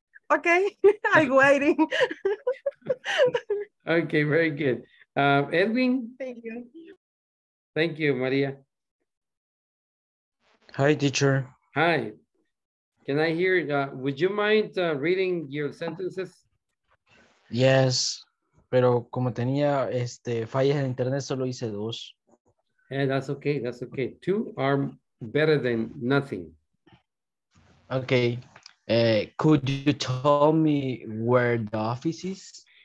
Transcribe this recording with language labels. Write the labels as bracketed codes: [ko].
[en] Okay, I'm waiting. Okay, very good. Edwin? Thank you. Thank you, Maria. Hi, teacher. Hi. Can I hear, would you mind reading your sentences? [es] Yes, pero como tenía fallas en internet, solo hice dos. [en] Yeah, that's okay. Two are better than nothing. Okay. Could you tell me where the office is?